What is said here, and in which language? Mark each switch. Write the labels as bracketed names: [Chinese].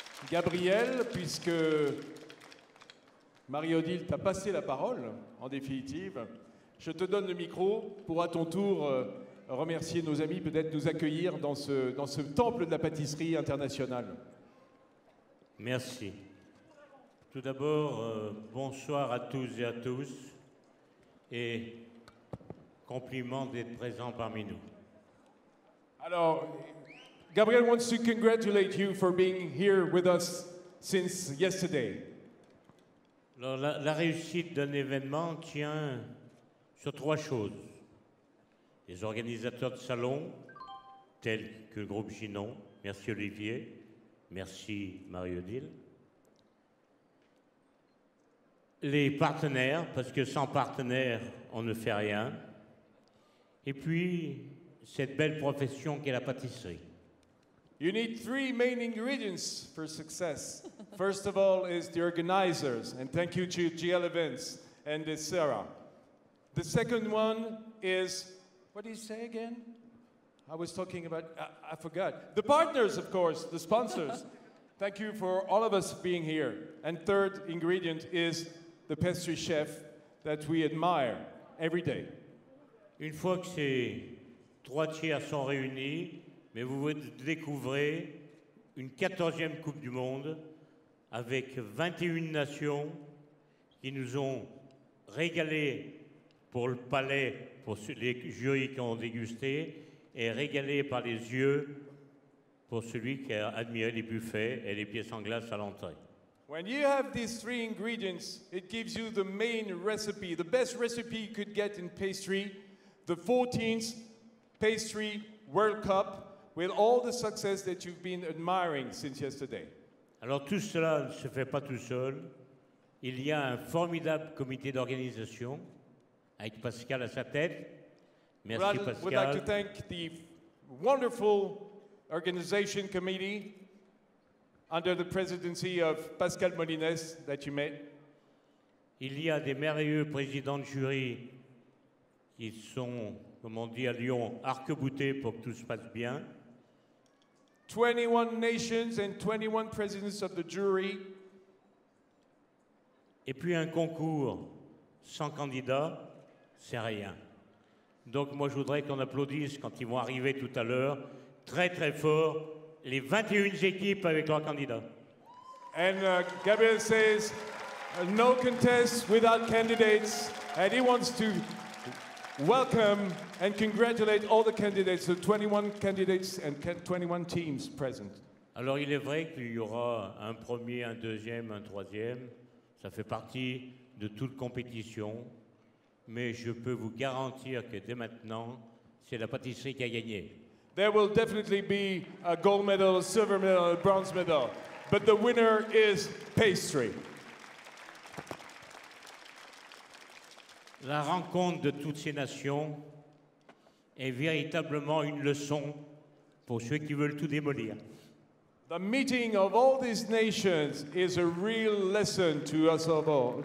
[French] Gabriel, puisque Marie-Odile t'a passé la parole, en définitive, je te donne le micro pour à ton tour remercier nos amis, peut-être nous accueillir dans ce temple de la pâtisserie internationale. Merci. Tout d'abord, bonsoir à toutes et à tous et compliments d'être présents parmi nous. [English] Alors, Gabriel wants to congratulate you for being here with us since yesterday. [French] Alors, la réussite d'un événement tient sur 3 choses. Les organisateurs de salons, tels que le groupe Ginon, merci Olivier, merci Marie-Odile. Les partenaires, parce que sans partenaires, on ne fait rien. et puis cette belle profession qu'est la pâtisserie. [English] You need three main ingredients for success. First of all is the organizers, and thank you to GL Events and Sarah. The second one is, what do you say again? I was talking about, I forgot. The partners, of course, the sponsors. Thank you for all of us being here. And third ingredient is the pastry chef that we admire every day. [French] Une fois que ces trois tiers sont réunis, mais vous découvrez une 14e Coupe du Monde avec 21 nations qui nous ont régalés pour le palais, pour les jurys qui ont dégusté, et régalés par les yeux pour celui qui a admiré les buffets et les pièces en glace à l'entrée. [English] When you have these three ingredients, it gives you the main recipe, the best recipe you could get in pastry, the 14th Pastry World Cup, with all the success that you've been admiring since yesterday. [French] Alors tout cela ne se fait pas tout seul. Il y a un formidable comité d'organisation avec Pascal à sa tête. Merci Pascal. [English] I would like to thank the wonderful organization committee under the presidency of Pascal Molines that you met. [French] Il y a des merveilleux présidents de jury qui sont, comme on dit à Lyon, arc-boutés pour que tout se passe bien. [English] 21 nations and 21 presidents of the jury. [French] Et puis un concours sans candidat, c'est rien. Donc moi je voudrais qu'on applaudisse quand ils vont arriver tout à l'heure, très très fort, les 21 équipes avec leurs candidats. [English] And Gabriel says no contest without candidates, and he wants to welcome and congratulate all the candidates, the 21 candidates and 21 teams present. [French] Alors il est vrai qu'il y aura un premier, un deuxième, un troisième. Ça fait partie de toute compétition. Mais je peux vous garantir que dès maintenant, c'est la pâtisserie qui a gagné. [English] There will definitely be a gold medal, a silver medal, a bronze medal. But the winner is pastry. [French] La rencontre de toutes ces nations est véritablement une leçon pour ceux qui veulent tout démolir. [English] The meeting of all these nations is a real lesson to us all.